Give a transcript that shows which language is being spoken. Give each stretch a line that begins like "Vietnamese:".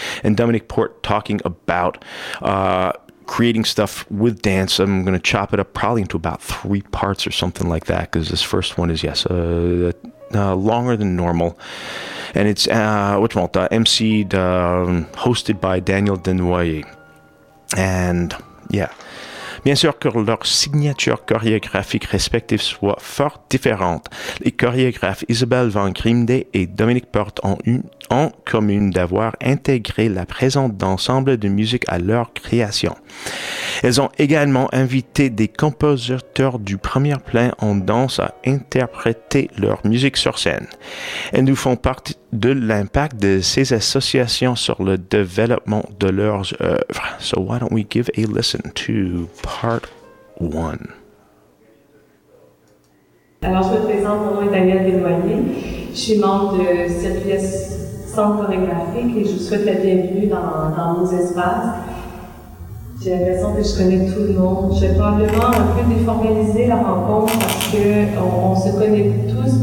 English: And Dominic Port talking about creating stuff with dance. I'm going to chop it up probably into about 3 parts or something like that, because this first one is, longer than normal. And it's MC'd, hosted by Daniel Denoyer. And, yeah.
French: Bien sûr que leurs signatures chorégraphiques respectives soient fort différentes, les chorégraphes Isabel van Grimde et Dominic Port ont en commun d'avoir intégré la présence d'ensembles de musique à leur création. Elles ont également invité des compositeurs du premier plan en danse à interpréter leur musique sur scène. Elles nous font part de l'impact de ces associations sur le développement de leurs œuvres.
English: So why don't we give a listen to part 1.
French: Alors, je me présente, mon nom est Daniel Desnoyers. Je suis membre de Sequiest Centre chorégraphique et je vous souhaite la bienvenue dans nos espaces. J'ai l'impression que je connais tout le monde. Je vais probablement un peu déformaliser la rencontre parce qu'on se connaît tous.